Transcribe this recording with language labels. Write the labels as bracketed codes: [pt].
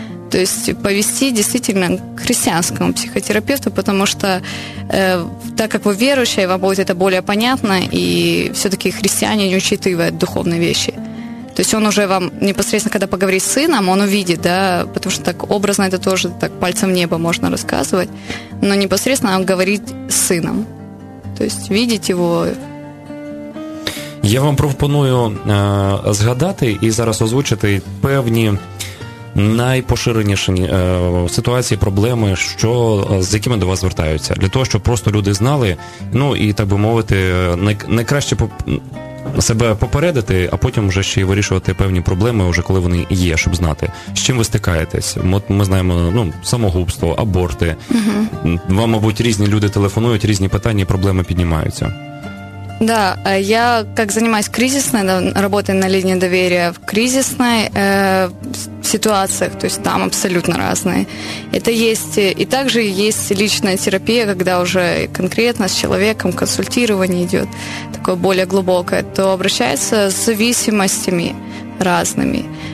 [ru] То есть повести действительно к христианскому психотерапевту, потому что так как вы верующая, вам будет это более понятно, и все-таки христиане не учитывают духовные вещи. То есть он уже вам непосредственно, когда поговорит с сыном, он увидит, да, потому что так образно это тоже так пальцем в небо можно рассказывать, но непосредственно он говорит с сыном. То есть видеть его... [uk] Я вам пропоную згадати и зараз озвучити певні найпоширеніші ситуації, проблеми, що з якими до вас звертаються. Для того, щоб просто люди знали, ну і, так би мовити, найкраще себе попередити, а потім вже ще й вирішувати певні проблеми, вже коли вони є, щоб знати, з чим ви стикаєтесь. Ми знаємо, ну, самогубство, аборти. Угу. Вам, мабуть, різні люди телефонують, різні питання і проблеми піднімаються. [ru] Да, я как занимаюсь кризисной работой на линии доверия, в кризисной ситуациях, то есть там абсолютно разные. Это есть, и также есть личная терапия, когда уже конкретно с человеком консультирование идет, такое более глубокое, то обращается с зависимостями разными.